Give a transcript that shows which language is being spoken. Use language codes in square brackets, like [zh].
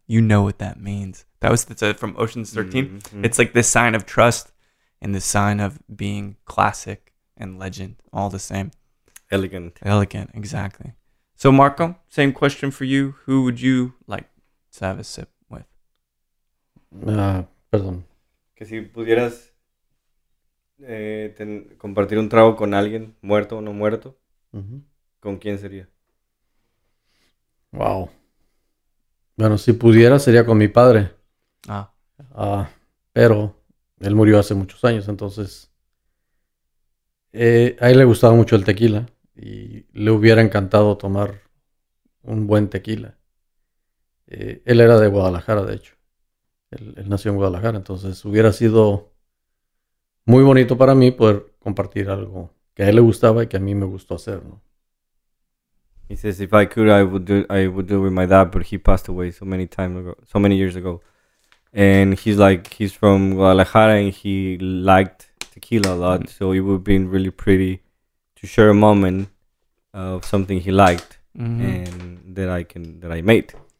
[en] You know what that means. That was from Ocean's 13. Mm-hmm. It's like this sign of trust and the sign of being classic and legend, all the same. Elegant. Elegant, exactly. So, Marco, same question for you. Who would you like to have a sip with? [es] Perdón. Que si pudieras compartir un trago con alguien, muerto o no muerto, mm-hmm. ¿con quién sería? Wow. Bueno, si pudiera, sería con mi padre. Ah. Pero él murió hace muchos años, entonces... a él le gustaba mucho el tequila y le hubiera encantado tomar un buen tequila. Él era de Guadalajara, de hecho. Él nació en Guadalajara, entonces hubiera sido muy bonito para mí poder compartir algo que a él le gustaba y que a mí me gustó hacer, ¿no? [en] He says, if I could, I would do it with my dad, but he passed away so many years ago. And he's like, he's from Guadalajara and he liked tequila a lot, so it would have been really pretty to share a moment of something he liked, mm-hmm. and that I can that I made.